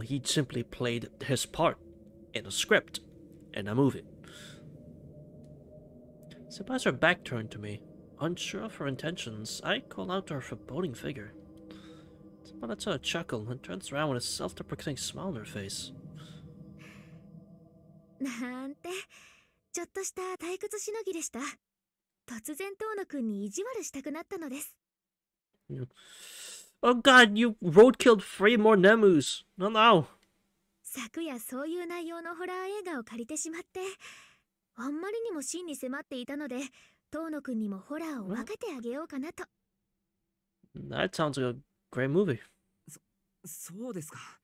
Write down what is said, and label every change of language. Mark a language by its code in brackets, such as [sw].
[en] He simply played his part in a script in a movie. Senpai's her back turned to me. Unsure of her intentions, I call out to her foreboding figure. Senpai lets out a chuckle and turns around with a self-deprecating smile on her face. [ja] Nante... ちょっとした退屈しのぎでした。突然遠野くんに意地悪したくなったのです。 [en] Oh god, you road killed three more Nemus. No, no. [ja] 昨夜そういう内容のホラー映画を借りてしまって、あんまりにも真に迫っていたので、遠野くんにもホラーを分けてあげようかなと。 [en] That sounds like a great movie. [ja] そうですか。